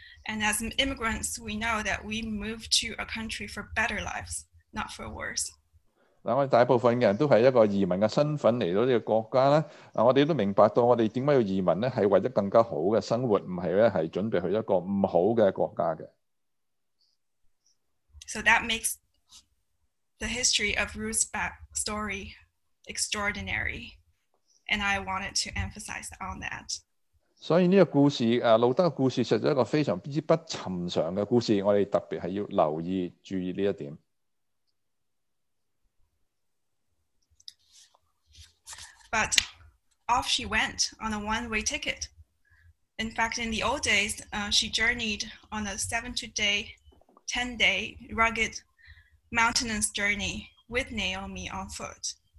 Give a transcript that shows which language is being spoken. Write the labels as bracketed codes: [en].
[en] And as immigrants, we know that we move to a country for better lives, not for worse. [zh] 我們大部分的人都是一個移民的身份來到這個國家，我們都明白到我們為什麼要移民呢，是為了更加好的生活，不是是準備去一個不好的國家的。 [en] So that makes the history of Ruth's story extraordinary, and I wanted to emphasize on that. [zh] 所以這個故事，路德的故事，實在是一個非常不尋常的故事，我們特別是要留意注意這一點。 [en] But off she went on a one-way ticket. In fact, in the old days, she journeyed on a 7-day, 10-day rugged mountainous journey with Naomi on foot.